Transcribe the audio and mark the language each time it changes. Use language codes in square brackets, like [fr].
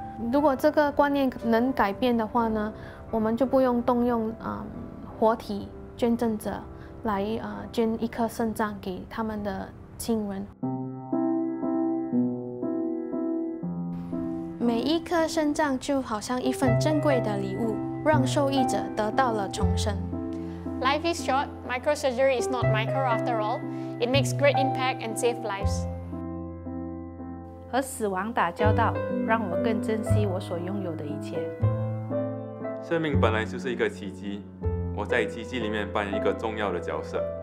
[zh] 如果这个观念能改变的话呢，我们就不用动用活体捐赠者来捐一颗肾脏给他们的亲人。每一颗肾脏就好像一份珍贵的礼物，让受益者得到了重生。 [en] Life is short. Microsurgery is not micro after all. It makes great impact and save lives. [zh] 和死亡打交道，让我更珍惜我所拥有的一切。生命本来就是一个奇迹，我在奇迹里面扮演一个重要的角色。